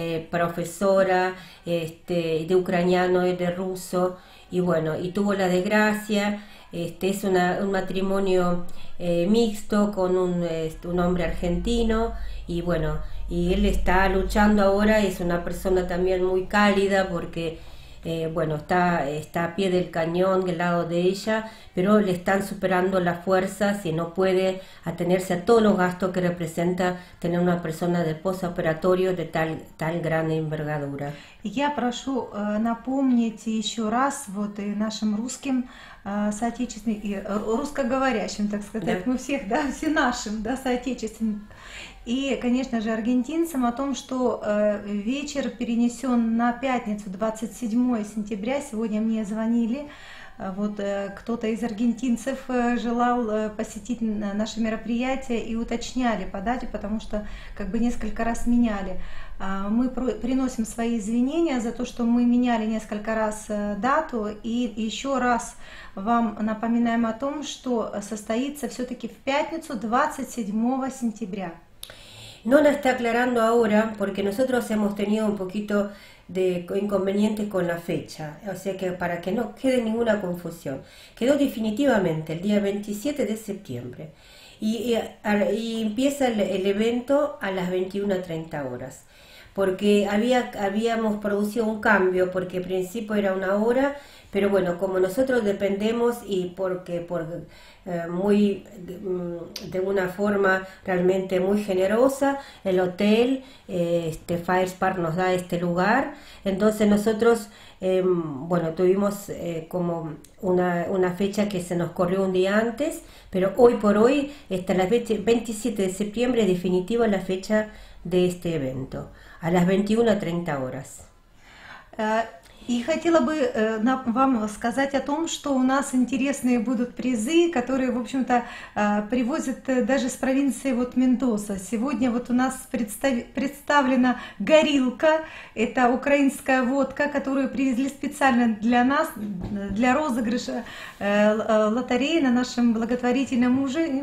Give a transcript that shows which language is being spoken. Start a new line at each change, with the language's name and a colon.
Spanish: profesora este, de ucraniano y de ruso, y bueno, y tuvo la desgracia, este, es un matrimonio mixto con un hombre argentino, y bueno, y él está luchando ahora, es una persona también muy cálida porque, bueno, está a pie del cañón del lado de ella, pero le están superando las fuerzas y no puede atenerse a todos los gastos que representa tener una persona de posoperatorio de tal gran envergadura.
Russian: Я прошу напомнить еще раз вот и нашим русским соотечественникам, и русскоговорящим, так сказать, мы всех, да, все нашим, да, соотечественникам, и, конечно же, аргентинцам о том, что вечер перенесен на пятницу, 27 сентября. Сегодня мне звонили, вот кто-то из аргентинцев желал посетить наше мероприятие и уточняли по дате, потому что как бы несколько раз меняли. мы приносим свои извинения за то, что мы меняли несколько раз дату, и еще раз вам напоминаем о том, что состоится все-таки в пятницу 27 сентября.
Spanish: Нона está aclarando ahora porque nosotros hemos tenido un poquito de inconveniente con la fecha, o sea que para que no quede ninguna confusión, quedó definitivamente el día 27 de septiembre y empieza el evento a las 21:30 horas, porque habíamos producido un cambio, porque al principio era una hora, pero bueno, como nosotros dependemos y porque muy de una forma realmente muy generosa el hotel Fire Spark nos da este lugar, entonces nosotros tuvimos como una fecha que se nos corrió un día antes, pero hoy por hoy está la fecha 27 de septiembre definitiva la fecha de este evento a las 21:30 horas.
Russian: И хотела бы вам сказать о том, что у нас интересные будут призы, которые, в общем-то, привозят даже с провинции вот Мендоса. Сегодня вот у нас представлена горилка, это украинская водка, которую привезли специально для нас, для розыгрыша лотереи на нашем благотворительном ужине.